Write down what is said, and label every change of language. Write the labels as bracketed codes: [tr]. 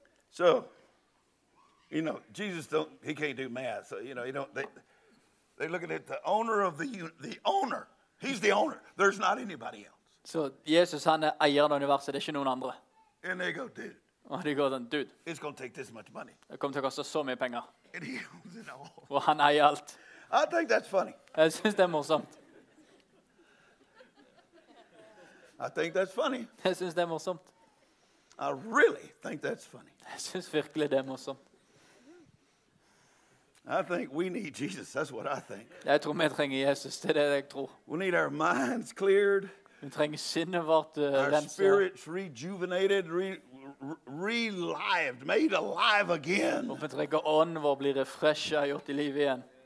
[en] So, you know, Jesus don't, he can't do math. So, you know, you don't, they're looking at the owner of the owner. He's the owner. There's not anybody else. [no] So, Jesus, han eieren av universet, det ikke noen andre. [en] And they go, dude. [no] Og de går sånn, dude, [en] it's going to take this much money. [no] Det kommer til å koste så mye penger. [en] And he owns it all. [no] Og han eier alt. [en] I think that's funny. [no] Jeg synes det morsomt. [en] I think that's funny. [no] Jeg synes det morsomt. [en] I really think that's funny. [no] Jeg synes virkelig det morsomt. [en] I think we need Jesus. That's what I think. [no] Jeg tror vi trenger Jesus. Det det jeg tror. [en] We need our minds cleared. [no] Vi trenger sinnet vårt. [en] Our spirits rejuvenated, relived, made alive again. [no] Og vi trenger ånden vår blir refreshet, gjort I liv igjen.